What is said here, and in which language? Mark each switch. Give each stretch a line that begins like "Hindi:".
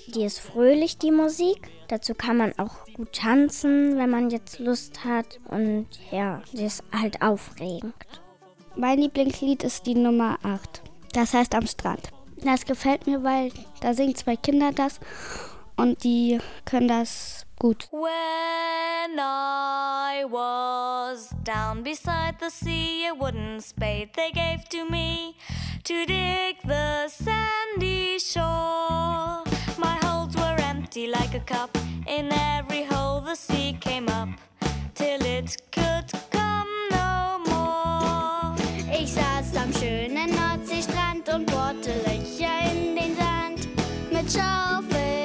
German: Die ist fröhlich, die Musik. Dazu kann man auch gut tanzen, wenn man jetzt Lust hat. Und ja, die ist halt aufregend. Mein Lieblingslied ist die Nummer 8. Das heißt Am Strand. Das gefällt mir, weil da singen zwei Kinder das. Und die können das gut.
English: When I was down beside the sea, a wooden spade they gave to me to dig the sandy shore. My holds were empty like a cup. In every hole the sea came up till it could come no more.
German: Ich saß am schönen Nordseestrand und bohrte Löcher in den Sand mit Schaufel.